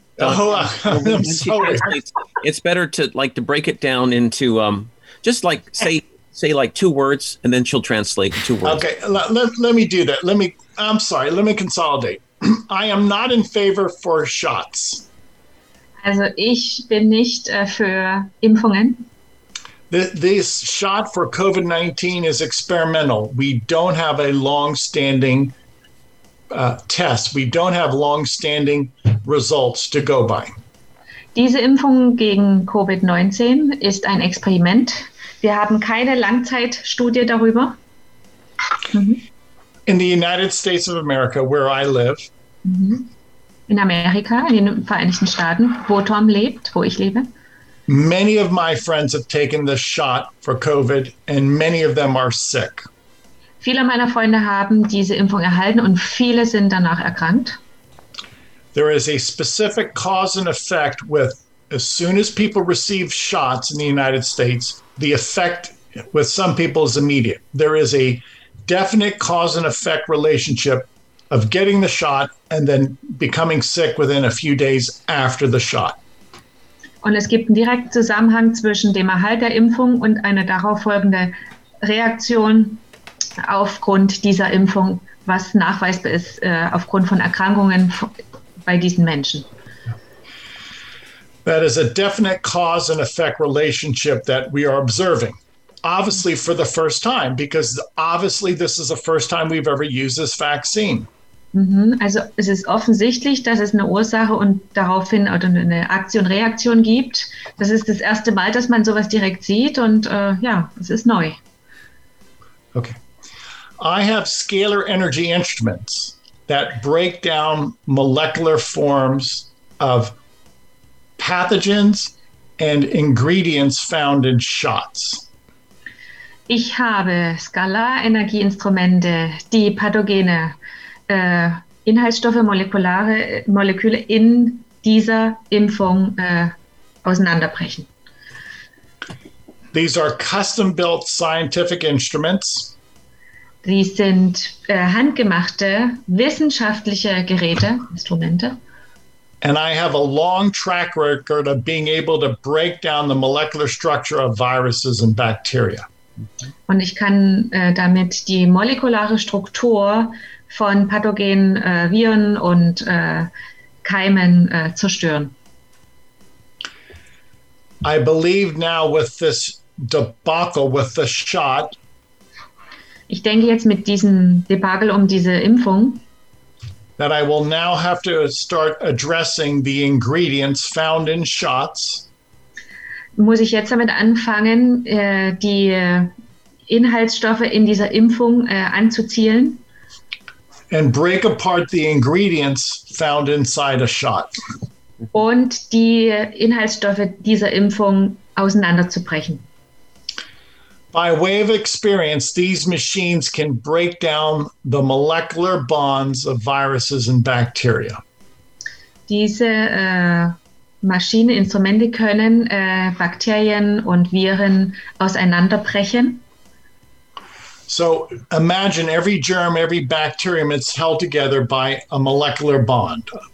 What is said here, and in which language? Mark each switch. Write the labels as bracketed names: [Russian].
[English] I'm sorry. It's better to break it down into just like say like two words, and then she'll translate two words. Okay, let me do that. Let me consolidate. I am not in favor for shots. [German] Also, ich bin nicht für Impfungen. [English] This shot for COVID-19 is experimental. We don't have a long-standing test. We don't have long-standing results to go by. [German] Diese Impfung gegen COVID-19 ist ein Experiment. Wir haben keine Langzeitstudie darüber. [English] In the United States of America, where I live. [German] In Amerika, in den Vereinigten Staaten, wo Tom lebt, wo ich lebe. [English] Many of my friends have taken the shot for COVID and many of them are sick. [German] Viele meiner Freunde haben diese Impfung erhalten und viele sind danach erkrankt. [English] There is a specific cause and effect with as soon as people receive shots in the United States, the effect with some people is immediate. There is a definite cause and effect relationship of getting the shot and then becoming sick within a few days after the shot. [German] Und es gibt einen direkten Zusammenhang zwischen dem Erhalt der Impfung und einer darauf folgenden Reaktion aufgrund dieser Impfung, was nachweisbar ist aufgrund von Erkrankungen bei diesen Menschen. [English] That is a definite cause and effect relationship that we are observing, obviously for the first time, because obviously this is the first time we've ever used this vaccine. Mm-hmm. [German] Also es ist offensichtlich, dass es eine Ursache und daraufhin eine Aktion-Reaktion gibt. Das ist das erste Mal, dass man sowas direkt sieht und es ist neu. Okay. [English] I have scalar energy instruments that break down molecular forms of pathogens and ingredients found in shots. [German] Ich habe Skalarenergieinstrumente, die pathogene Inhaltsstoffe, Moleküle in dieser Impfung auseinanderbrechen. [English] These are custom-built scientific instruments. [German] Sie sind handgemachte wissenschaftliche Geräte, Instrumente. [English] And I have a long track record of being able to break down the molecular structure of viruses and bacteria. [German] Und ich kann damit die molekulare Struktur von pathogenen Viren und Keimen zerstören. [English] I believe now with this debacle, with the shot. [German] Ich denke jetzt mit diesem Debakel um diese Impfung. [English] That I will now have to start addressing the ingredients found in shots. [German] Muss ich jetzt damit anfangen, die Inhaltsstoffe in dieser Impfung anzuzielen? [English] And break apart the ingredients found inside a shot. [German] Und die Inhaltsstoffe dieser Impfung auseinanderzubrechen. [English] By way of experience, these machines can break down the molecular bonds of viruses and bacteria. [German] Diese Maschinen, Instrumente können Bakterien und Viren auseinanderbrechen. [English] So imagine every germ, every bacterium is held together by a molecular bond.